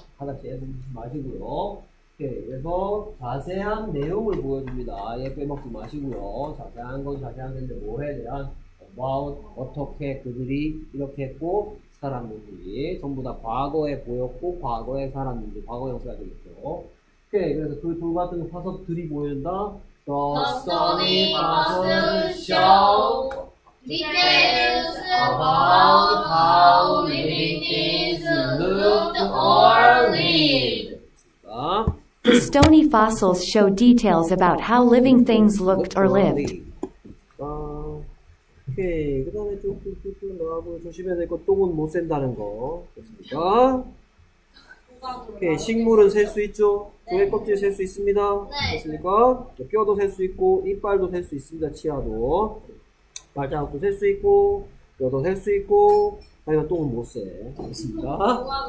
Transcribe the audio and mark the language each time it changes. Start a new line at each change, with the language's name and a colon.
Korean: 하나씩 해보지 마시고요. 네, 그래서 자세한 내용을 보여줍니다. 아예 빼먹지 마시고요. 자세한 건 자세한 건데 뭐에 대한 about, 어떻게 그들이 이렇게 했고 살았는지 전부 다 과거에 보였고 과거에 살았는지 과거형 써야 되겠죠. 네, 그래서 그 돌같은 화석들이 보여준다.
English: The stony fossils show details about how living things looked or lived. The stony fossils show details about how living things looked or lived.
Korean: 오케이, 그 다음에 조금 나가고 조심해야 될 거 똥은 못 샌다는 거 됐습니까? 오케이, 식물은 셀 수 있죠? 조개 껍질 셀 수 있습니다. 네. 됐습니까? 뼈도 셀 수 있고, 이빨도 셀 수 있습니다. 치아도. 발자국도 셀 수 있고, 뼈도 셀 수 있고, 하지만 똥은 못 세. 됐습니까?